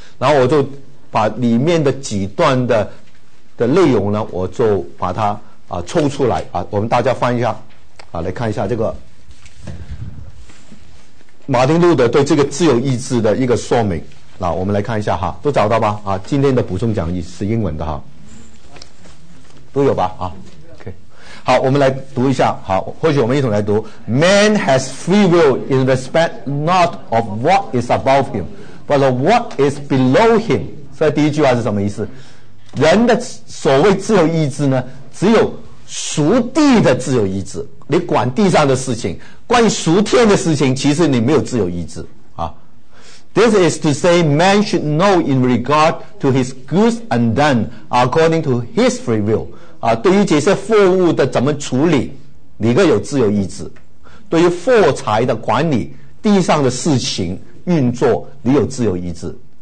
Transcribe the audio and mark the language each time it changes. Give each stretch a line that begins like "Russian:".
Chinese: 然后我就把里面的几段的内容呢，我就把它啊，抽出来啊，我们大家翻一下啊，来看一下这个马丁路德对这个自由意志的一个说明。那、啊、我们来看一下哈，都找到吧？啊，今天的补充讲义是英文的哈，都有吧？啊 ，OK， 好，我们来读一下。好，或许我们一同来读
English: ：Man has free will in respect not of what is above him, but of what is below him。
Chinese: 所以第一句话是什么意思？人的所谓自由意志呢？只有属地的自由意志，你管地上的事情，关于属天的事情，其实你没有自由意志啊。
English: This is to say, man should know in regard to his goods and done according to his free will
Chinese: 啊，对于这些货物的怎么处理，你各有自由意志；对于货财的管理，地上的事情运作，你有自由意志。